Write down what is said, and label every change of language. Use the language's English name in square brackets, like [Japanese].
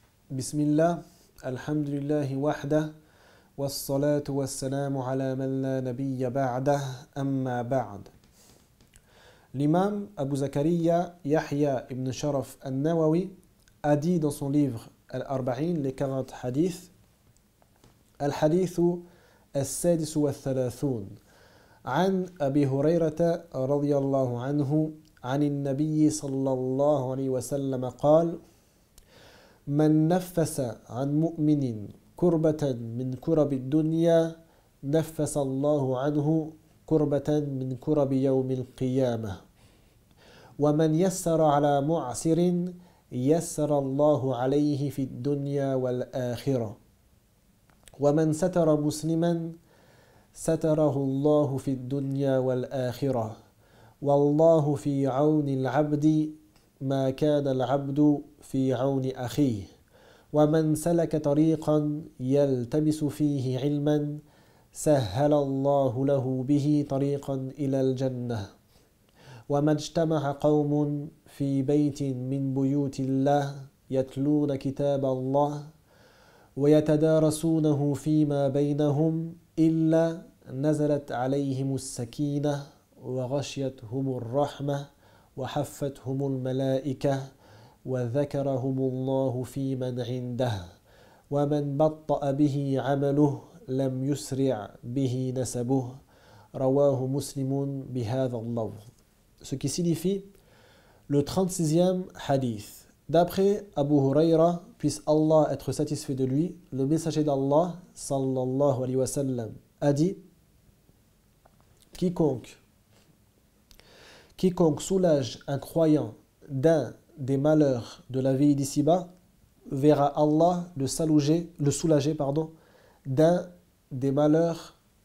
[Arabic] بسم الله الحمد لله وحده والصلاة والسلام على من لا نبي بعده أما بعد الإمام أبو زكريا يحيى بن شرف النووي [French] a dit dans son livre [Arabic] Al-Arba'in, [French] les 40 hadiths, [Arabic] Al-Hadithu Al-Sadis wa Al-Thalathun, An Abi Hurayrata radiallahu anhu, An Al-Nabi sallallahu alayhi wa sallam, قال, Man naffasa an mu'minin kurbatan min kurabi al-dunya, naffasa Allahu anhu kurbatan min kurabi yawm al-qiyamah. Wa man yassara ala mu'asirin, يسر الله عليه في الدنيا والآخرة ومن ستر مسلما ستره الله في الدنيا والآخرة والله في عون العبد ما كان العبد في عون أخيه ومن سلك طريقا يلتمس فيه علما سهل الله له به طريقا إلى الجنة وَمَا اجْتَمَعَ قَوْمٌ فِي بَيْتٍ مِنْ بُيُوتِ اللَّهِ يَتْلُونَ كِتَابَ اللَّهِ وَيَتَدَارَسُونَهُ فِيمَا بَيْنَهُمْ إِلَّا نَزَلَتْ عَلَيْهِمُ السَّكِينَةُ وَغَشِيَتْهُمُ الرَّحْمَةُ وَحَفَّتْهُمُ الْمَلَائِكَةُ وَذَكَرَهُمُ اللَّهُ فِيمَنْ عِنْدَهُ وَمَنْ بَطَّأَ بِهِ عَمَلُهُ لَمْ يُسْرِعْ بِهِ نَسَبُهُ رَوَاهُ مُسْلِمٌ بِهَذَا اللَّفْظِ. [French] Ce qui signifie le 36e hadith. D'après Abu Huraira, puisse Allah être satisfait de lui, le messager d'Allah, sallallahu alayhi wa sallam, a dit « Quiconque soulage un croyant d'un des malheurs de la vie d'ici-bas, verra Allah le soulager d'un des malheurs